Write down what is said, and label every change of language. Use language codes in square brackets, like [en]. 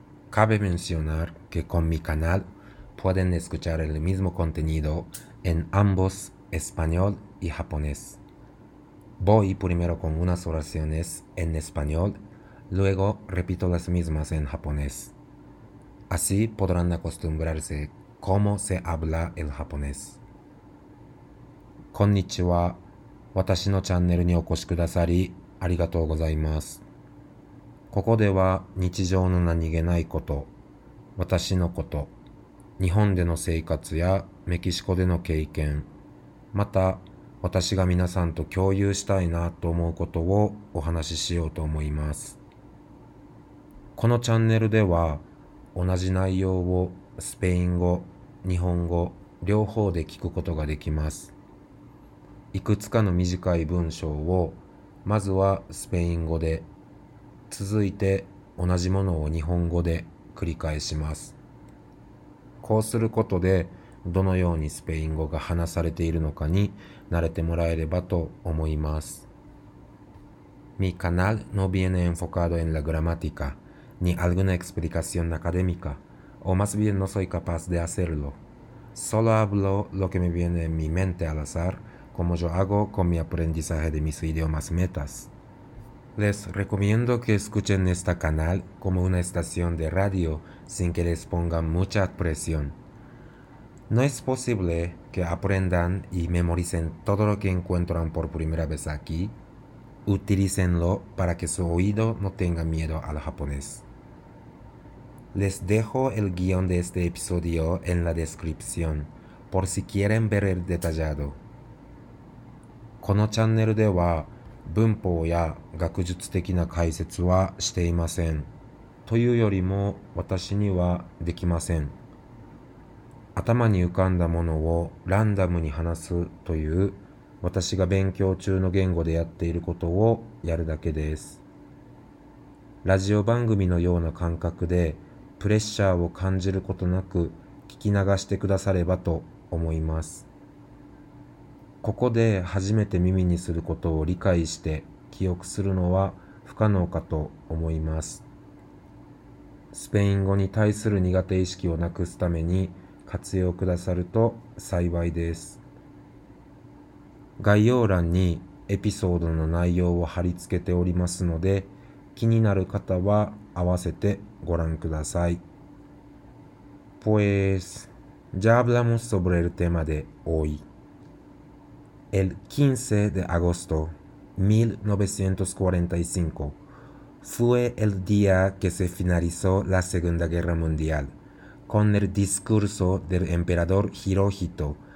[es] Cabe mencionar que con mi canal pueden escuchar el mismo contenido en ambos español y japonés. Voy primero con unas oraciones en español, luego repito las mismas en japonés. Así podrán acostumbrarse cómo se habla el japonés. [ja] Konnichiwa. 私のチャンネルにお越しくださりありがとうございます。ここでは日常の何気ないこと、私のこと、日本での生活やメキシコでの経験、また私が皆さんと共有したいなと思うことをお話ししようと思います。このチャンネルでは同じ内容をスペイン語、日本語、両方で聞くことができます。いくつかの短い文章を、まずはスペイン語で、続いて同じものを日本語で繰り返します。こうすることで、どのようにスペイン語が話されているのかに慣れてもらえればと思います。 [es] Mi canal no viene enfocado en la gramática. Ni alguna explicación académica, o más bien no soy capaz de hacerlo. Solo hablo lo que me viene en mi mente al azar, como yo hago con mi aprendizaje de mis idiomas metas. Les recomiendo que escuchen este canal como una estación de radio sin que les pongan mucha presión. No es posible que aprendan y memoricen todo lo que encuentran por primera vez aquí. Utilícenlo para que su oído no tenga miedo al japonés. Les dejo el guión de este episodio en la descripción, por si quieren ver el detallado. [ja] このチャンネルでは文法や学術的な解説はしていません。というよりも私にはできません。頭に浮かんだものをランダムに話すという私が勉強中の言語でやっていることをやるだけです。ラジオ番組のような感覚でプレッシャーを感じることなく聞き流してくださればと思います。ここで初めて耳にすることを理解して記憶するのは不可能かと思います。スペイン語に対する苦手意識をなくすために活用くださると幸いです。概要欄にエピソードの内容を貼り付けておりますので、気になる方は合わせてご覧ください。 [es] Pues, ya hablamos sobre el tema de hoy. El 15 de agosto 1945 fue el día que se finalizó la Segunda Guerra Mundial con el discurso del emperador Hirohito.